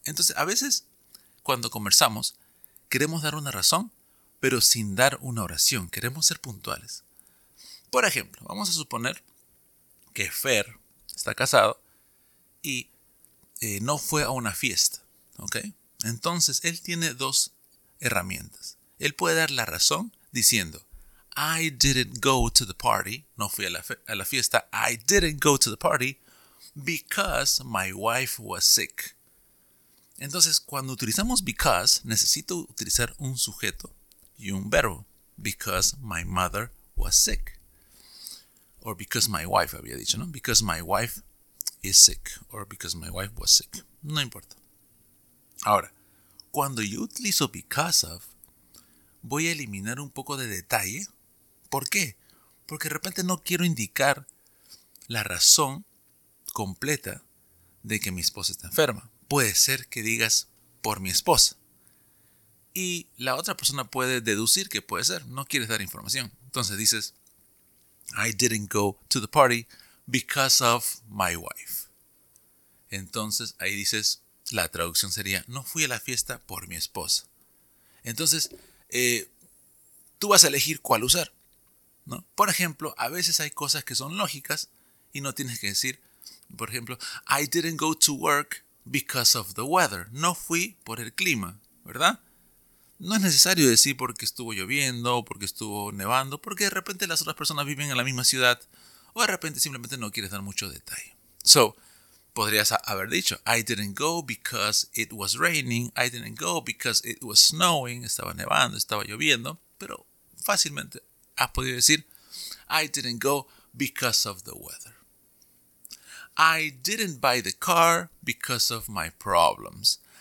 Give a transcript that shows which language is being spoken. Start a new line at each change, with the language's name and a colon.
Spanish: Entonces a veces cuando conversamos queremos dar una razón, pero sin dar una oración. Queremos ser puntuales. Por ejemplo, vamos a suponer que Fer está casado y no fue a una fiesta, ¿ok? Entonces, él tiene dos herramientas. Él puede dar la razón diciendo,
English: I didn't go to the party,
Spanish: no fui a la fiesta,
English: I didn't go to the party because my wife was sick.
Spanish: Entonces, cuando utilizamos because, necesito utilizar un sujeto y un verbo,
English: because my mother was sick. Or because my wife,
Spanish: había dicho, ¿no?
English: Because my wife is sick. Or because my wife was sick.
Spanish: No importa. Ahora, cuando yo utilizo because of, voy a eliminar un poco de detalle. ¿Por qué? Porque de repente no quiero indicar la razón completa de que mi esposa está enferma. puede ser que digas por mi esposa. Y la otra persona puede deducir que puede ser. No quieres dar información. Entonces dices,
English: I didn't go to the party because of my wife.
Spanish: Entonces ahí dices, la traducción sería, no fui a la fiesta por mi esposa. Entonces, tú vas a elegir cuál usar, ¿no? Por ejemplo, a veces hay cosas que son lógicas y no tienes que decir, por ejemplo,
English: I didn't go to work because of the weather.
Spanish: No fui por el clima, ¿verdad? No es necesario decir porque estuvo lloviendo, porque estuvo nevando, porque de repente las otras personas viven en la misma ciudad o de repente simplemente no quieres dar mucho detalle.
English: So,
Spanish: podrías haber dicho,
English: I didn't go because it was raining, I didn't go because it was snowing,
Spanish: estaba nevando, estaba lloviendo, pero fácilmente has podido decir,
English: I didn't go because of the weather. I didn't buy the car because of my problems.